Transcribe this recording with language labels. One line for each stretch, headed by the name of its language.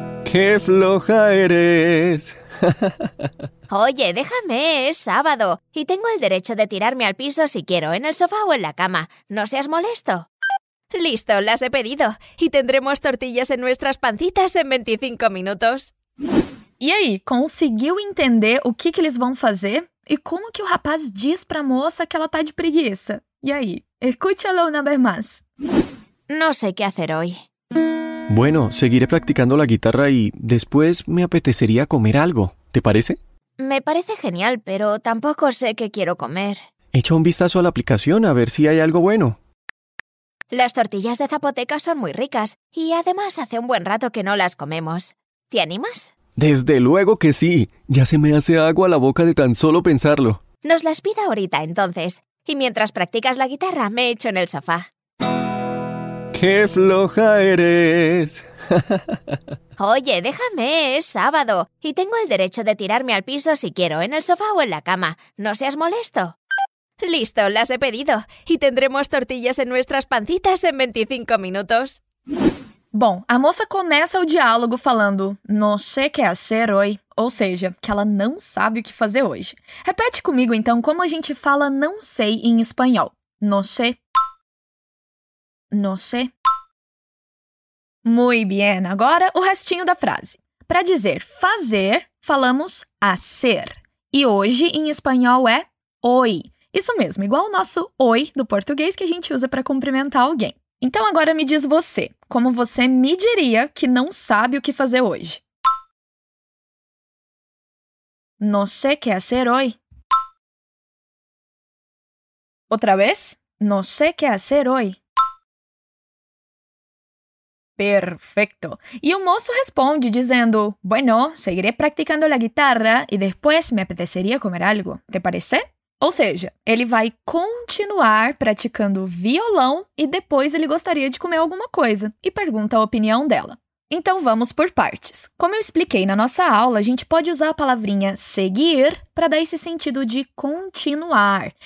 Spanish: ¡Qué floja eres! Oye, déjame, es sábado. Y tengo el derecho de tirarme al piso si quiero, en el sofá o en la cama. No seas molesto. Listo, las he pedido. Y tendremos tortillas en nuestras pancitas en 25 minutos.
Portuguese: E aí, conseguiu entender o que eles vão fazer? E como que o rapaz diz pra moça que ela tá de preguiça? E aí,
Spanish: escúchalo una vez más. No sé qué hacer hoy. Bueno, seguiré practicando la guitarra y después me apetecería comer algo, ¿te parece? Me parece genial, pero tampoco sé qué quiero comer. Echa un vistazo a la aplicación a ver si hay algo bueno. Las tortillas de zapoteca son muy ricas y además hace un buen rato que no las comemos. ¿Te animas? Desde luego que sí. Ya se me hace agua la boca de tan solo pensarlo. Nos las pida ahorita, entonces. Y mientras practicas la guitarra, me echo en el sofá. ¡Qué floja eres! Oye, déjame, es sábado. Y tengo el derecho de tirarme al piso si quiero, en el sofá o en la cama. No seas molesto. Listo, las he pedido. Y tendremos tortillas en nuestras pancitas en 25 minutos.
Portuguese: Bom, a moça começa o diálogo falando
Spanish: no sé qué hacer hoy,
Portuguese: ou seja, que ela não sabe o que fazer hoje. Repete comigo, então, como a gente fala não sei em espanhol.
Spanish: No sé. No sé.
Portuguese: Muy bien, agora o restinho da frase. Para dizer fazer, falamos hacer. E hoje, em espanhol, é oi. Isso mesmo, igual o nosso oi do português que a gente usa para cumprimentar alguém. Então, agora me diz você, como você me diria que não sabe o que fazer hoje?
Spanish: No sé qué hacer hoy.
Portuguese: Outra vez?
Spanish: No sé qué hacer hoy. Perfecto.
Portuguese: E o moço responde dizendo,
Spanish: bueno, seguiré practicando la guitarra y después me apetecería comer algo. ¿Te parece?
Portuguese: Ou seja, ele vai continuar praticando violão e depois ele gostaria de comer alguma coisa e pergunta a opinião dela. Então, vamos por partes. Como eu expliquei na nossa aula, a gente pode usar a palavrinha seguir para dar esse sentido de continuar.